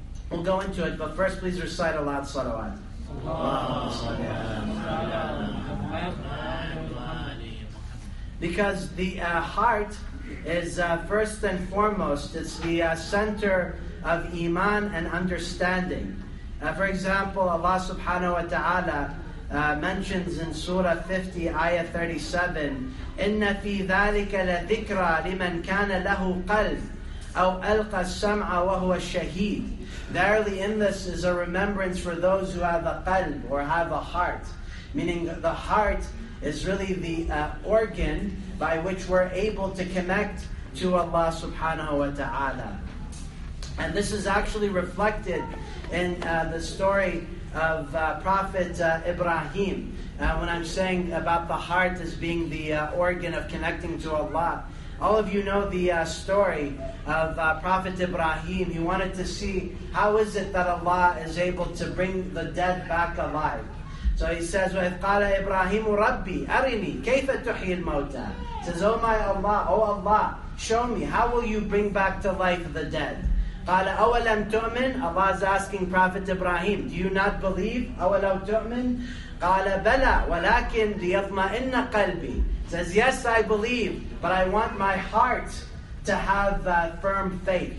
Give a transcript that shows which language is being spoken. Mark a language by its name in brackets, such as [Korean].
[English] We'll go into it, but first please recite a lot of salawat. Because the heart is first and foremost, it's the center of iman and understanding. For example, Allah subhanahu wa ta'ala mentions in Surah 50, Ayah 37, [Arabic] إِنَّ فِي ذَلِكَ لَذِكْرَى لِمَنْ كَانَ لَهُ قَلْبٌ أَوْ أَلْقَى السَّمْعَ وَهُوَ الشَّهِيدُ. [English] Verily in this is a remembrance for those who have a qalb, or have a heart. Meaning the heart is really the organ by which we're able to connect to Allah subhanahu wa ta'ala. And this is actually reflected in the story of Prophet Ibrahim. When I'm saying about the heart as being the organ of connecting to Allah, all of you know the story of Prophet Ibrahim. He wanted to see how is it that Allah is able to bring the dead back alive. So he says, [Arabic] وَإِذْ قَالَ إِبْرَاهِيمُ رَبِّي أَرِنِي كَيْفَ تُحْيِي الْمَوْتَى. [English] He says, "Oh my Allah, oh Allah, show me, how will you bring back to life the dead?" [Arabic] قَالَ أَوَلَمْ تُؤْمِنُ. [English] Allah is asking Prophet Ibrahim, "Do you not believe?" [Arabic] أَوَلَوْ تُؤْمِنُ. قَالَ بَلَى وَلَكِنْ لِيَطْمَئِنَّ قَلْبِي. [English] Says, "Yes, I believe, but I want my heart to have firm faith."